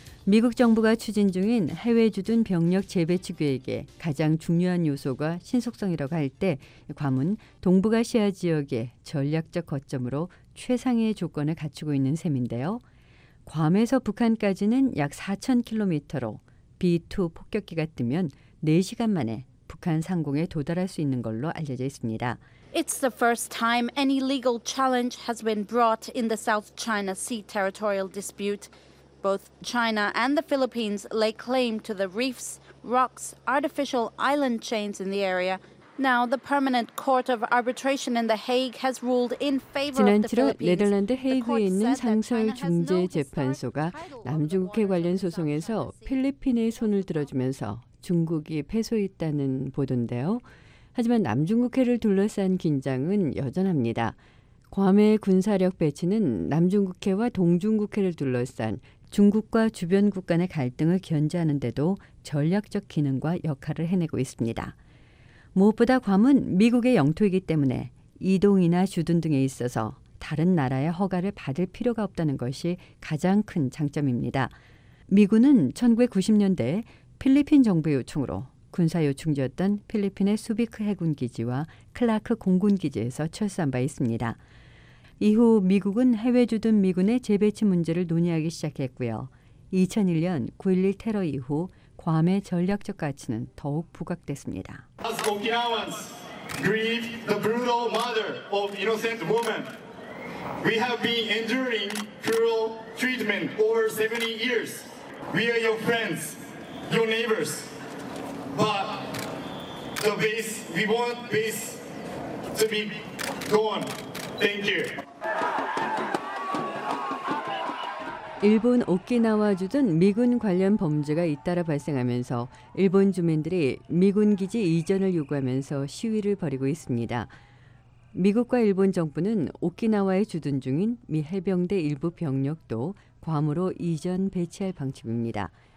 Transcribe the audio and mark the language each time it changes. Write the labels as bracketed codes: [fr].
[ko] 미국 정부가 추진 중인 해외 주둔 병력 재배치 계획에 가장 중요한 요소가 신속성이라고 할 때 괌은 동북아시아 지역의 전략적 거점으로 최상의 조건을 갖추고 있는 셈인데요. 괌에서 북한까지는 약 4,000km로 B2 폭격기가 뜨면 4시간 만에 북한 상공에 도달할 수 있는 걸로 알려져 있습니다. [en] It's the first time any legal challenge has been brought in the South China Sea territorial dispute. Both China and the Philippines lay claim to the reefs, rocks, artificial island chains in the area. Now the permanent court of arbitration in The Hague has ruled in favor of the Philippines. [ko] 지난 7월 네덜란드 헤이그에 있는 상설 중재 재판소가 남중국해 관련 소송에서 필리핀의 손을 들어주면서 중국이 패소했다는 보도인데요. 하지만 남중국해를 둘러싼 긴장은 여전합니다. 괌의 군사력 배치는 남중국해와 동중국해를 둘러싼 중국과 주변국 간의 갈등을 견제하는 데도 전략적 기능과 역할을 해내고 있습니다. 무엇보다 괌은 미국의 영토이기 때문에 이동이나 주둔 등에 있어서 다른 나라의 허가를 받을 필요가 없다는 것이 가장 큰 장점입니다. 미군은 1990년대에 필리핀 정부의 요청으로 군사 요충지였던 필리핀의 수비크 해군기지와 클라크 공군기지에서 철수한 바 있습니다. 이후 미국은 해외 주둔 미군의 재배치 문제를 논의하기 시작했고요. 2001년 9.11 테러 이후 괌의 전략적 가치는 더욱 부각됐습니다. [en] As Okinawans grieve the brutal murder of innocent women, we have been enduring cruel treatment over 70 years. We are your friends, your neighbors. But the base, we want base to be gone. Thank you. [ko] 일본 오키나와 주둔 미군 관련 범죄가 잇따라 발생하면서 일본 주민들이 미군 기지 이전을 요구하면서 시위를 벌이고 있습니다. 미국과 일본 정부는 오키나와에 주둔 중인 미 해병대 일부 병력도 괌으로 이전 배치할 방침입니다.